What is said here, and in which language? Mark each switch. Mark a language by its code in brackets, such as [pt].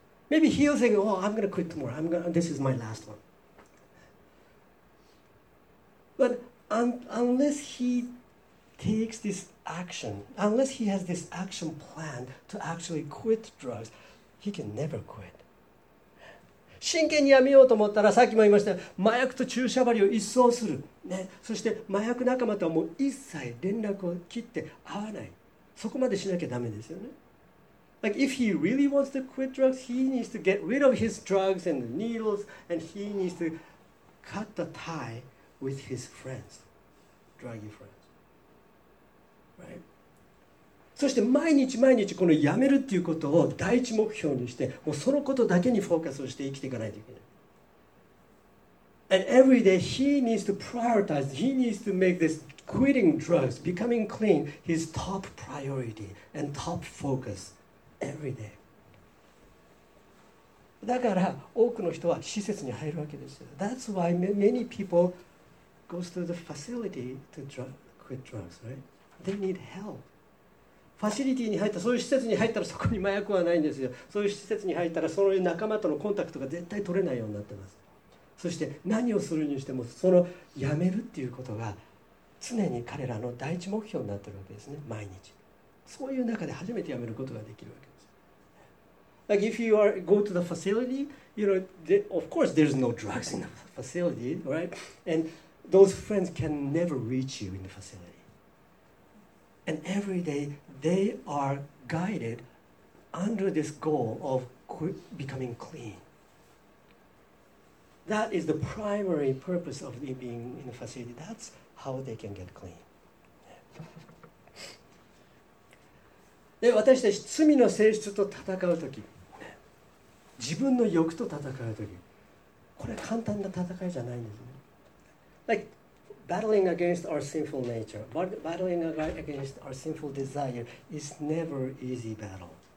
[en] Maybe he'll say, oh, I'm gonna quit tomorrow. This is my last one. But unless heTakes this action, unless he has this action plan to actually quit drugs, he can never quit. [ja] 真剣にやめようと思ったら、さっきも言いました、麻薬と注射針を一掃する、ね。そして麻薬仲間とはもう一切連絡を切って会わない。そこまでしなきゃダメですよね。 [en] Like if he really wants to quit drugs, he needs to get rid of his drugs and needles, and he needs to cut the tie with his friends, druggy friends.Right. [ja] そして毎日毎日このやめるっていうことを第一目標にして、もうそのことだけにフォーカスをして生きていかないといけない。 [en] And every day he needs to prioritize, he needs to make this quitting drugs, becoming clean, his top priority and top focus every day. [ja] だから多くの人は施設に入るわけですよ。 [en] That's why many people go to the facility to quit drugs, right? They need help. [ja] ファシリティに入った、そういう施設に入ったらそこに麻薬はないんですよ。そういう施設に入ったらそういう仲間とのコンタクトが絶対取れないようになってます。そして何をするにしてもそのやめるっていうことが常に彼らの第一目標になってるわけですね。毎日。そういう中で初めてやめることができるわけです。 [en] Like if you are go to the facility, you know, the, of course there's no drugs in the facility, right? And those friends can never reach you in the facility. And every day they are guided under this goal of becoming clean. That is the primary purpose of being in the facility. That's how they can get clean. [ja] で、私たち罪の性質と戦うとき、自分の欲と戦うとき、これは簡単な戦いじゃないんですね。 [en] Like,Battling against our sinful nature, battling against our sinful desire is never easy battle.